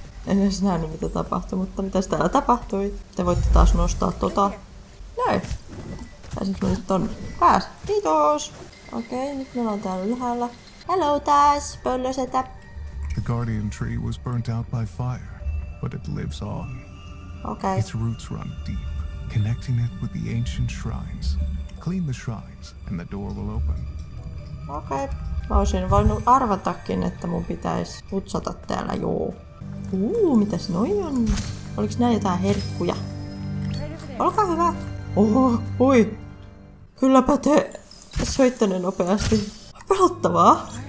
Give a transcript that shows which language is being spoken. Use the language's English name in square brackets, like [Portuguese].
[Finnish] En edes nähnyt mitä tapahtui, mutta mitäs täällä tapahtui? Te voitte taas nostaa tota. Näin. Pääsinkö mä nyt tonne? Pääs. Kiitos. Okei, nyt me ollaan täällä ylhäällä. Hello taas, pöllösetä. [English] The guardian tree was burnt out by fire, but it lives on. Okay. Its roots run deep, connecting it with the ancient shrines. Clean the shrines and the door will open. [Finnish] Okay. Mä olisin voinut arvatakin, että mun pitäisi putsata täällä, joo. mitäs noi on? Oliks nää jotain herkkuja? Olkaa hyvä! Oho, hui! Kylläpä te soittane nopeasti. Pelottavaa!